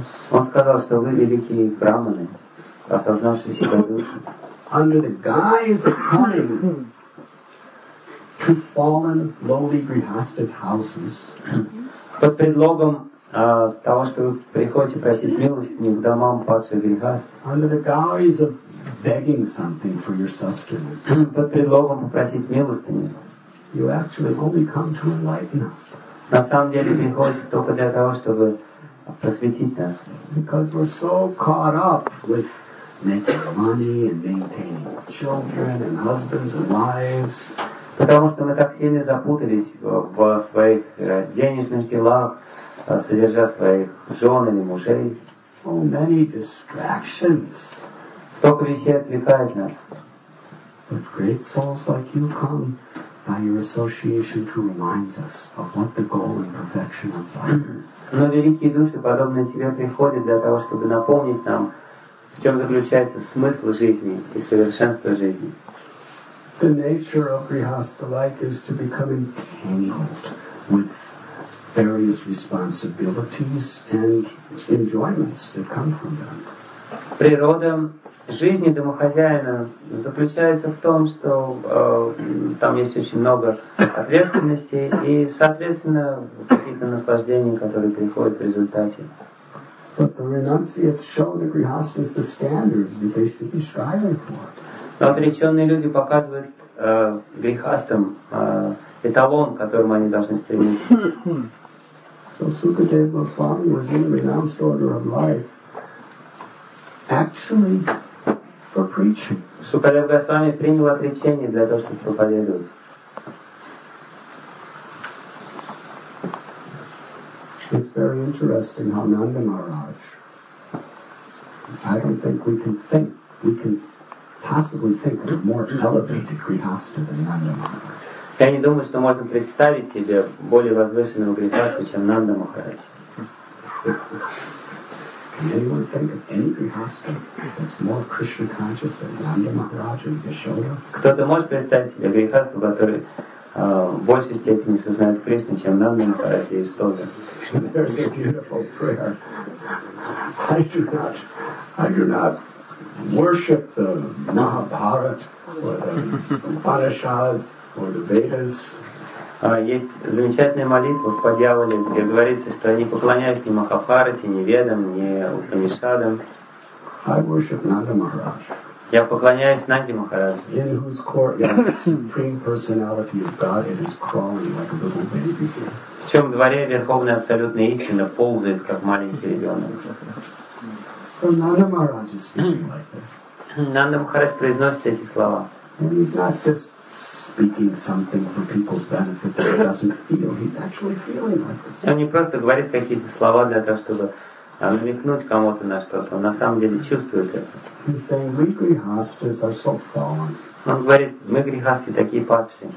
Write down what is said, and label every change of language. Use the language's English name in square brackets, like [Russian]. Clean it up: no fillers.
[Russian] Он сказал, что вы великие брахманы, осознавшие себя души. [English] Under the guise of coming to fallen lowly grihastas houses. [Russian] Под предлогом того, что вы приходите просить милости к домам падших грихаст. [English] Under the guise of begging something for your sustenance. [Russian] Под предлогом попросить милостыню. [English] You actually only come to enlighten us. [Russian] На самом деле приходите только для того, чтобы просветить нас. [English] Because we're so caught up with making money and maintaining children and husbands and wives. [Russian] Потому что мы так сильно запутались в своих денежных делах, содержа своих жен или мужей. [English] So many distractions. [Russian] Столько вещей отвлекает нас. [English] But great souls like you come by your association to remind us of what the goal and perfection of life is. [Russian] Но великие души, подобные тебе, приходят для того, чтобы напомнить нам, в чем заключается смысл жизни и совершенство жизни. [English] The nature of grihastha life is to become entangled with various responsibilities and enjoyments that come from them. [Russian] Природа жизни домохозяина заключается в том, что там есть очень много ответственности и, соответственно, каких-то наслаждений, которые приходят в результате. Но отреченные люди показывают грихастам эталон, к которому они должны стремиться. [English] Сукадева Госвами was in the renounced order of life. Actually, for preaching. [Russian] Шукадев Госвами принял отречение для того, чтобы проповедовать. [English] It's very interesting how Nanda Maharaj. I don't think we can possibly think of a more elevated grihastha than Nanda Maharaj. [Russian] Я не думаю, что можно представить себе более возвышенного грихастху, чем Нанда Махарадж. [English] Can anyone think of any grihastha that's more Krishna conscious than Nanda Maharaj and Yashoda? [Russian] Кто-то может представить себе грихастху, который в большей степени сознает Кришну, чем Нанда Махарадж и Ясода? [English] There's a beautiful prayer. I do not worship the Mahabharata or the Upanishads or the Vedas. [Russian] Есть замечательная молитва в Падьяволе, где говорится, что они поклоняются ни Махабхарате, ни Ведам, ни Упанишадам. [English] I worship Nanda Maharaj. [Russian] Я поклоняюсь Нанде Махараджу. [English] In whose courtyard the supreme personality of Godhead is crawling like a little baby. [Russian] В чем дворе Верховная Абсолютная Истина ползает, как маленький ребенок. [English] So Nanda Maharaj is speaking like this. [Russian] Нанда Махарадж произносит эти слова. [English] And he's not just speaking something for people's benefit that he doesn't feel. He's actually feeling like this. [Russian] Он не просто говорит какие-то слова для того, чтобы намекнуть кому-то на что-то. Он на самом деле чувствует это. [English] He's saying, we grihasthas are so fallen. [Russian] Он говорит, мы грихасты такие падшие.